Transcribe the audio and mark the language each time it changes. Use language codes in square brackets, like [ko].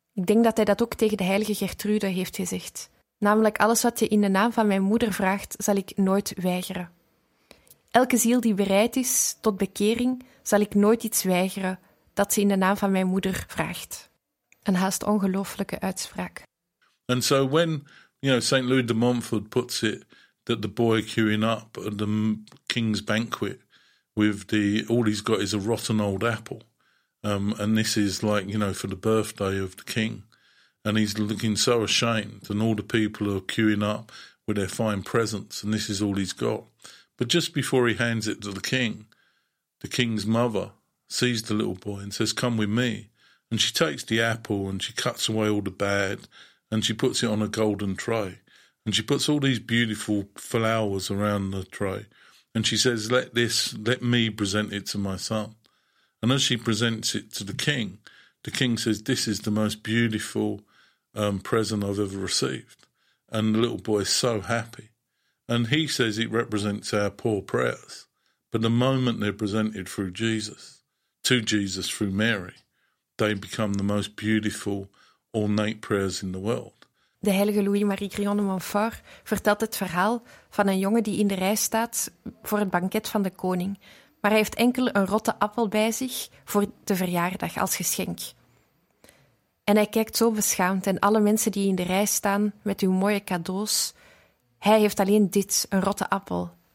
[nl] Ik denk dat hij dat ook tegen de heilige Gertrude heeft gezegd. Namelijk, alles wat je in de naam van mijn moeder vraagt, zal ik nooit weigeren. Elke ziel die bereid is tot bekering, zal ik nooit iets weigeren dat ze in de naam van mijn moeder vraagt. Een haast ongelooflijke uitspraak. [en] And so when, you know, St. Louis de Montfort puts it that the boy queuing up at the king's banquet with the, all he's got is a rotten old apple. And this is like, you know, for the birthday of the king. And he's looking so ashamed, and all the people are queuing up with their fine presents, and this is all he's got. But just before he hands it to the king's mother sees the little boy and says, come with me. And she takes the apple, and she cuts away all the bad, and she puts it on a golden tray. And she puts all these beautiful flowers around the tray. And she says, let me present it to my son. And as she presents it to the king says, this is the most beautiful present I've ever received. And the little boy is so happy. And he says it represents our poor prayers. But the moment they're presented through Jesus, to Jesus through Mary, they become the most beautiful, ornate prayers in the world. [nl] De heilige Louis-Marie Grignon de Montfort vertelt het verhaal van een jongen die in de rij staat voor het banket van de koning. Maar hij heeft enkel een rotte appel bij zich voor de verjaardag als geschenk. En hij kijkt zo beschaamd en alle mensen die in de rij staan met hun mooie cadeaus, hij heeft alleen dit, een rotte appel.